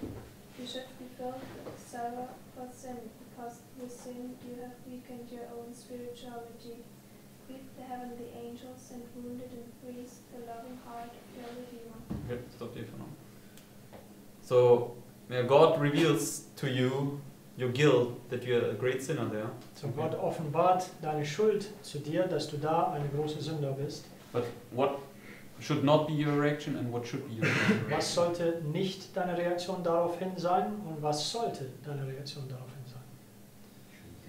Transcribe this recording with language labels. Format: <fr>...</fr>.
<en>You should be filled with sorrow for sin, because with sin you have weakened your own spirituality. Weep the heavenly angels and wounded and freeze the loving heart of your Redeemer. Okay, stop there for now. So, yeah, God reveals to you your guilt, that you are a great sinner there.</en> <de>So God offenbart deine Schuld zu dir, dass du da eine große Sünder bist.</de> <en>But what should not be your reaction and what should be your reaction?</en> <de>Was sollte nicht deine Reaktion daraufhin sein und was sollte deine Reaktion daraufhin sein?</de>